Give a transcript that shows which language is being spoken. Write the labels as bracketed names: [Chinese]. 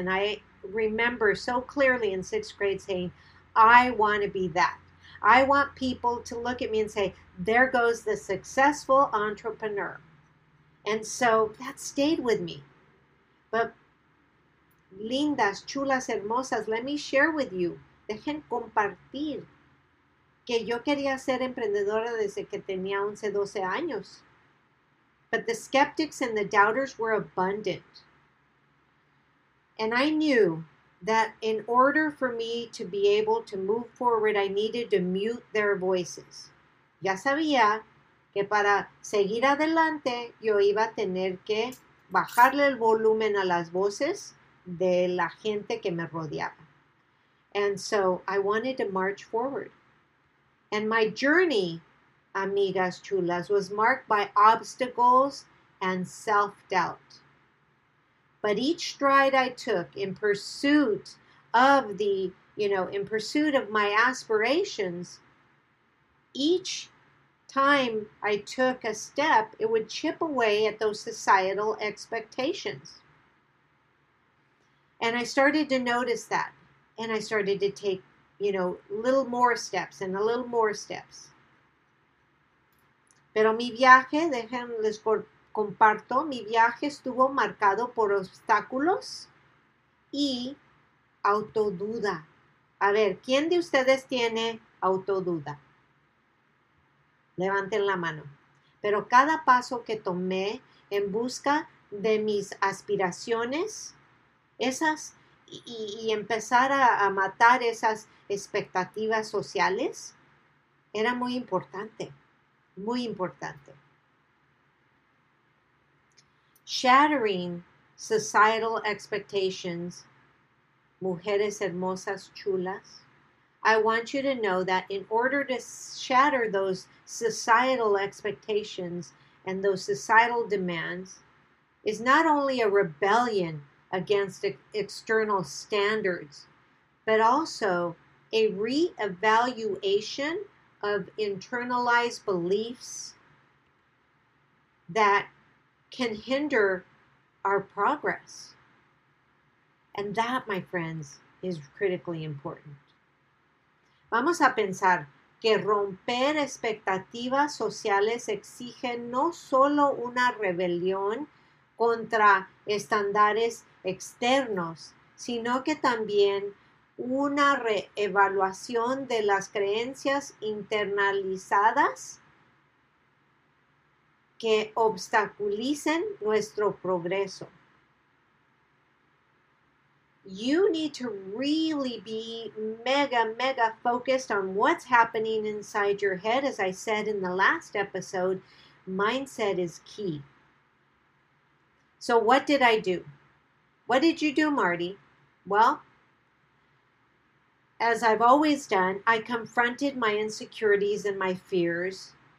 [English] And I remember so clearly in sixth grade saying, I want to be that. I want people to look at me and say, there goes the successful entrepreneur. And so that stayed with me. But [Spanish] lindas, chulas, hermosas, [English] let me share with you. [Spanish] Dejen compartir que yo quería ser emprendedora desde que tenía 11, 12 años. [English] But the skeptics and the doubters were abundant. And I knew that in order for me to be able to move forward, I needed to mute their voices. [Spanish] Ya sabía que para seguir adelante, yo iba a tener que bajarle el volumen a las voces de la gente que me rodeaba. [English] And so I wanted to march forward. And my journey, [Spanish] amigas chulas, [English] was marked by obstacles and self-doubt. But each stride I took in pursuit of the, you know, in pursuit of my aspirations, each time I took a step, it would chip away at those societal expectations. And I started to notice that. And I started to take, you know, little more steps and a little more steps. [Spanish] Pero mi viaje, déjenles comparto, mi viaje estuvo marcado por obstáculos y autoduda. A ver, ¿quién de ustedes tiene autoduda? Levanten la mano. Pero cada paso que tomé en busca de mis aspiraciones, esas, y empezar a matar esas expectativas sociales, era muy importante. Muy importante. [English] Shattering societal expectations, [Spanish] mujeres hermosas chulas, [English] I want you to know that in order to shatter those societal expectations and those societal demands is not only a rebellion against external standards, but also a reevaluation of internalized beliefs that can hinder our progress. And that, my friends, is critically important. [Spanish] Vamos a pensar que romper expectativas sociales exige no solo una rebelión contra estándares externos, sino que también una reevaluación de las creencias internalizadas que obstaculicen nuestro progreso. [English] You need to really be mega, mega focused on what's happening inside your head. As I said in the last episode, mindset is key. So what did I do? What did you do, Marty? Well, as I've always done, I confronted my insecurities and my fears.